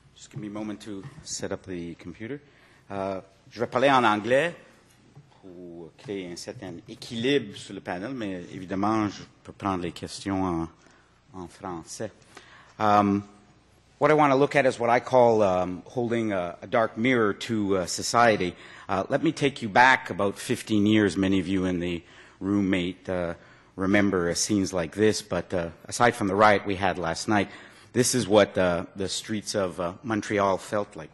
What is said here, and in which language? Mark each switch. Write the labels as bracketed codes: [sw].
[en] Give me a moment to set up the computer. [fr] Je vais parler en anglais pour créer un certain équilibre sur le panel, mais évidemment, je peux prendre les questions en français. [en] What I want to look at is what I call holding a dark mirror to society. Let me take you back about 15 years. Many of you in the room may remember scenes like this, but aside from the riot we had last night, this is what the streets of Montreal felt like.